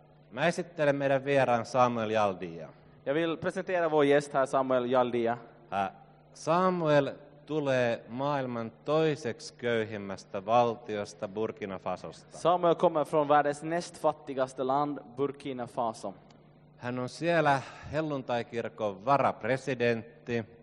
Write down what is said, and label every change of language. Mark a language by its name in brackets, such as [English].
[Finnish] Mä esittelen meidän vieraan Samuel Jaldia. [Swedish] Jag vill presentera vår gäst här, Samuel Jaldia. [Finnish] Samuel tulee maailman toiseksi köyhimmästä valtiosta, Burkina Fasosta. [Swedish] Samuel kommer från världens näst fattigaste land, Burkina Faso. [Finnish] Hän on siellä helluntaikirkon varapresidentti.